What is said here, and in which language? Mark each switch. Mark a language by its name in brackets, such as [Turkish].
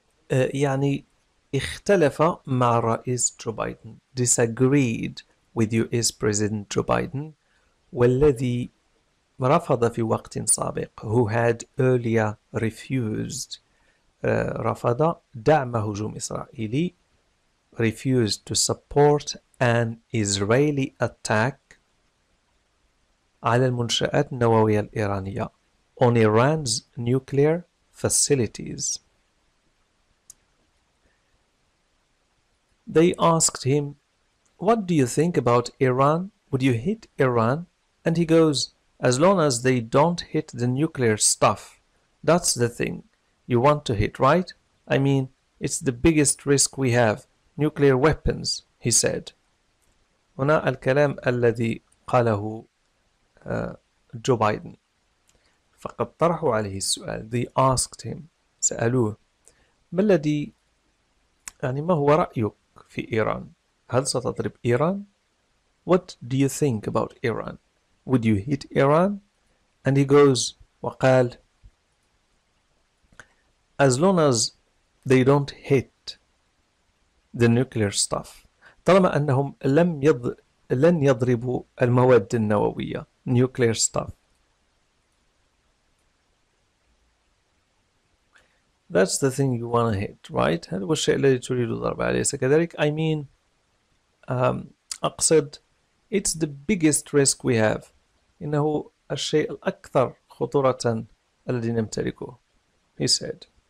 [Arabic] يعني اختلف مع الرئيس جو بايدن، [English] disagreed with US President Joe Biden، [Arabic] والذي رفض في وقت سابق، [English] who had earlier refused، [Arabic] رفض دعم هجوم إسرائيلي، [English] refused to support an Israeli attack [Arabic] على المنشآت النووية الإيرانية [English] on Iran's nuclear facilities. They asked him, what do you think about Iran? Would you hit Iran? And he goes, as long as they don't hit the nuclear stuff, that's the thing you want to hit, right? I mean, it's the biggest risk we have, nuclear weapons, he said. [Arabic] هنا الكلام الذي قاله جو بايدن. فقد طرحوا عليه السؤال، [English] they asked him، [Arabic] سألوه، ما الذي يعني ما هو رأيك في إيران؟ هل ستضرب إيران؟ [English] What do you think about Iran? Would you hit Iran? And he goes، [Arabic] وقال، [English] as long as they don't hit the nuclear stuff، [Arabic] طالما أنهم لن يضربوا المواد النووية، [English] nuclear stuff. That's the thing you want to hit, right? [Arabic] هذا هو الشيء الذي تريد ضربه، أليس كذلك؟ [English] I mean، [Arabic] أقصد، [English] it's the biggest risk we have، [Arabic] إنه الشيء الأكثر خطورة الذي نمتلكه، [English] he said.